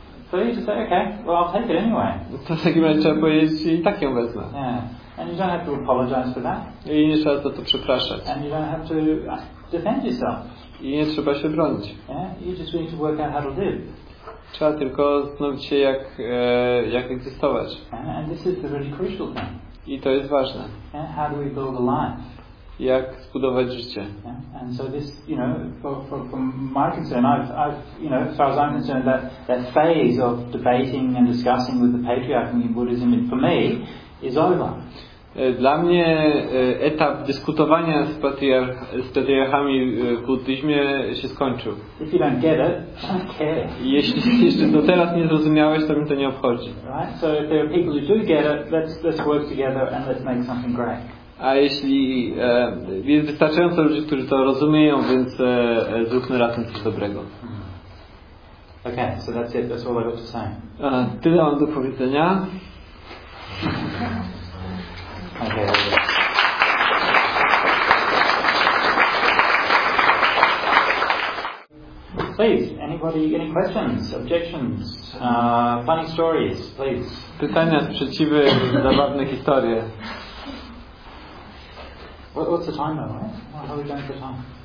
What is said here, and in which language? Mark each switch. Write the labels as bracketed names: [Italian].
[English] So you just say, okay, well, I'll take it anyway. [Polish] To w takim razie trzeba powiedzieć, i tak ją wezmę. Yeah. [English] And you don't have to apologize for that. [Polish] I nie trzeba za to przepraszać. [English] And you don't have to defend yourself. [Polish] I nie trzeba się bronić. [English] Yeah? You just need to work out how to live. [Polish] Trzeba tylko zastanowić się, jak egzystować. Yeah? [English] And this is the really crucial thing. [Polish] I to jest ważne. [English] Yeah? How do we build a life? [Polish] Jak zbudować życie? Yeah? [English] And so this, you know, from my concern, as far as I'm concerned, that phase of debating and discussing with the patriarchy in Buddhism, for me, is over. [Polish] Dla mnie etap dyskutowania z patriarchami w buddyzmie się skończył. [English] If you don't get it, I don't care. [Polish] Jeśli jeszcze do teraz nie zrozumiałeś, to mi to nie obchodzi. [English] Right? So if there are people who do get it, let's work together and let's make something great. [Polish] A jeśli jest wystarczająco ludzi, którzy to rozumieją, więc zróbmy razem coś dobrego. [English] Okay, so that's it. That's all I got to say. [Polish] Tyle mam do powiedzenia. Okay. [English] Please, anybody, any questions, objections, funny stories, please. [Polish] Pytania, sprzeciwy, zabawne historie. [English] What's the time though, right? How are we going for time?